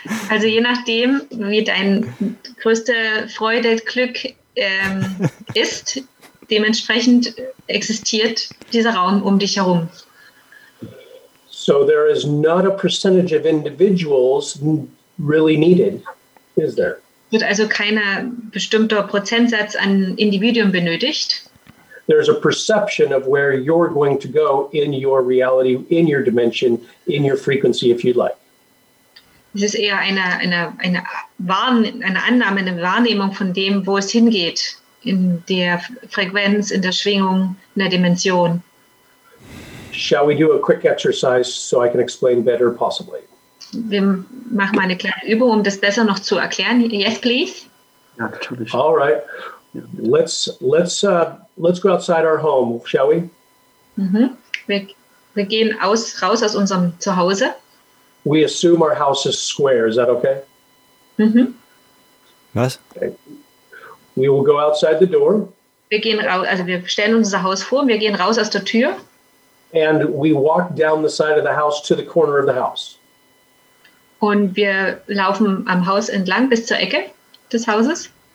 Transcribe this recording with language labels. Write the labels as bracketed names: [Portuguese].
[German] Also je nachdem, wie deine größte Freude, Glück ist, dementsprechend existiert dieser Raum um dich herum. [English] So there is not a percentage of individuals really needed, is there? [German] Wird also kein bestimmter Prozentsatz an Individuum benötigt? [English] There's a perception of where you're going to go in your reality, in your dimension, in your frequency, if you'd like. [German] Es ist eher eine Annahme, eine Wahrnehmung von dem, wo es hingeht, in der Frequenz, in der Schwingung, in der Dimension. [English] Shall we do a quick exercise so I can explain better, possibly? [German] Wir machen mal eine kleine Übung, um das besser noch zu erklären. [English] Yes, please. Yeah, all right. Let's go outside our home, shall we? [German] Mm-hmm. Wir gehen raus aus unserem Zuhause. [English] We assume our house is square. Is that okay? Mm-hmm. [German] Was? Okay. [English] We will go outside the door. [German] Wir gehen wir stellen uns unser Haus vor. Wir gehen raus aus der Tür. [English] And we walk down the side of the house to the corner of the house. [German] Und wir laufen am Haus entlang bis zur Ecke des Hauses.